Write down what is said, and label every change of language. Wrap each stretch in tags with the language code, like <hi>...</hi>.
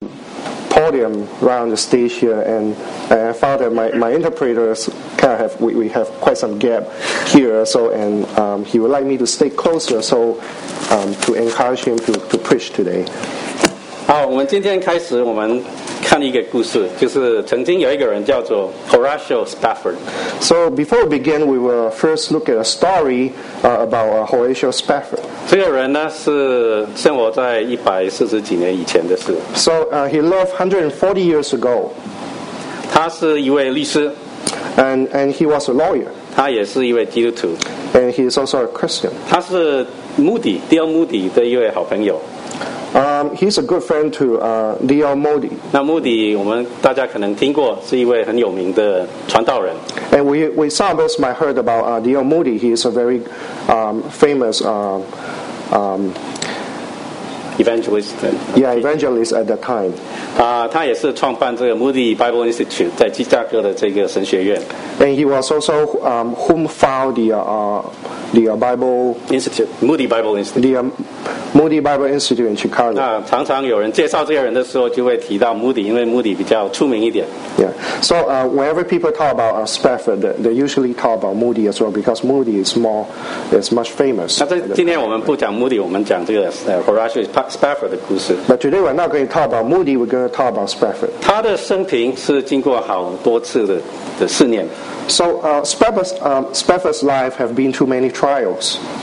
<en>podium around the stage here, and I found that my interpreters kind of we have quite some gap here, so and he would like me to stay closer, so to encourage him to preach today.</en> <zh>好，我们今天开始，我们看一个故事， 就是曾经有一个人叫做 Horatio Spafford.</zh> <en>So before we begin, we will first look at a story about Horatio Spafford.</en> <zh>这个人呢是生活在140几年以前的事。</zh> <en>So he lived 140 years ago.</en> <zh>他是一位律师。</zh> <en>And he was a lawyer.</en> <zh>他也是一位基督徒。</zh> <en>And he is also a Christian.</en> <zh>他是穆迪, Dale Moody的一位好朋友。</zh> <en>He's a good friend to D.L. Moody.</en> <zh>那穆迪我们大家可能听过, 是一位很有名的传道人。</zh> <en>And we some of us might heard about D.L. Moody. He is a very famous evangelist. Yeah, evangelist at that time.</en> <zh>他也是创办这个 Moody Bible Institute 在芝加哥的这个神学院。</zh> <en>And he was also whom found the Bible Institute, Moody Bible Institute. Moody Bible Institute in Chicago.</en> <zh>那常常有人介绍这个人的时候，就会提到穆迪， 因为穆迪比较出名一点。</zh> <en>Yeah. So whenever people talk about Spafford, they usually talk about Moody as well, because Moody is more, is much famous.</en> <zh>那今天我们不讲穆迪， 我们讲这个 Horatio Spafford的故事。</zh> <en>But today we're not going to talk about Moody, we're going to talk about Spafford.</en> <zh>他的生平是经过好多次的试炼。</zh> <en>So Spafford's life have been through many trials.</en>